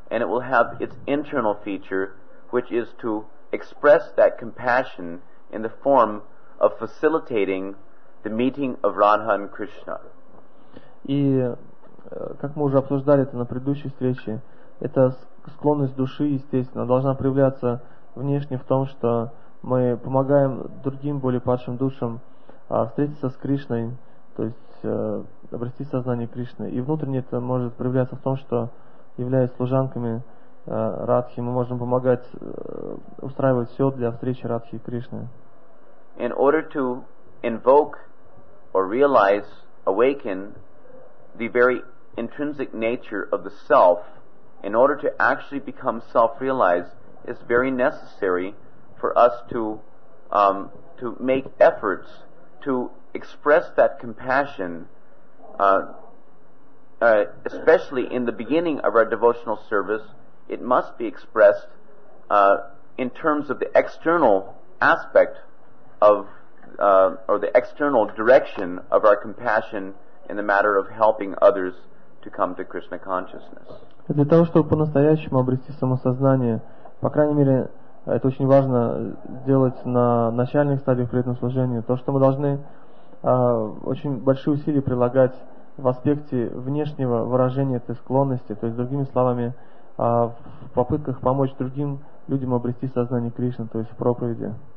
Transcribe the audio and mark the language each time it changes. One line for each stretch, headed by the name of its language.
English: And it will have its internal feature, which is to express that compassion in the form of facilitating the meeting of Radha and Krishna.
Russian: И как мы уже обсуждали это на предыдущей встрече, эта склонность души, естественно, должна проявляться внешне в том, что мы помогаем другим более падшим душам встретиться с Кришной, то есть обрести сознание Кришны. И внутренне это может проявляться в том, что, являясь служанками Радхи, мы можем помогать устраивать все для встречи Радхи и Кришны.
English: In order to invoke or realize, awaken the very intrinsic nature of the self, in order to actually become self-realized, it's very necessary for us to make efforts to express that compassion, especially in the beginning of our devotional service. It must be expressed in terms of the external aspect of or the external direction of our compassion in the matter of helping others to come to Krishna consciousness.
Russian: Для того, чтобы по-настоящему обрести самосознание, по крайней мере, это очень важно делать на начальных стадиях преданного служения, то, что мы должны очень большие усилия прилагать в аспекте внешнего выражения этой склонности, то есть, другими словами, в попытках помочь другим людям обрести сознание Кришны, то есть в проповеди.